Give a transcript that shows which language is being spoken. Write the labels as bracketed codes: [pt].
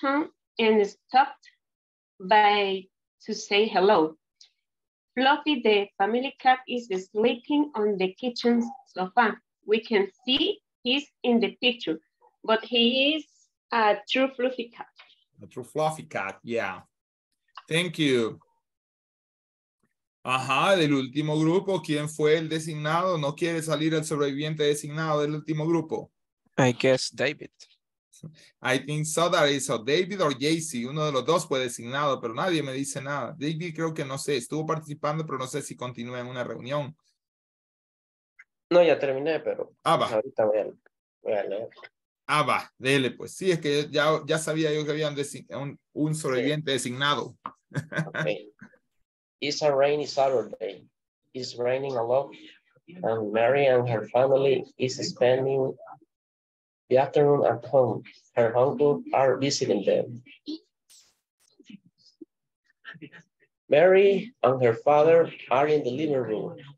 [en] town and stopped by to say hello. Fluffy, the family cat, is sleeping on the kitchen sofa. We can see he's in the picture, but he is a true fluffy cat. A true fluffy cat, yeah. Thank you. [es] Ajá, del último grupo, ¿quién fue el designado? ¿No quiere salir el sobreviviente designado del último grupo? [en] I guess David. I think so, that is so. [es] David or JC, uno de los dos fue designado, pero nadie me dice nada. David creo que no sé, estuvo participando, pero no sé si continúa en una reunión. No, ya terminé, pero Abba. Ahorita voy a leer. Ah, va, dele, pues. Sí, es que ya sabía yo que había un sobreviviente designado. [en] Okay. It's a rainy Saturday. It's raining a lot, and Mary and her family is spending the afternoon at home. Her uncle are visiting them. Mary and her father are in the living room.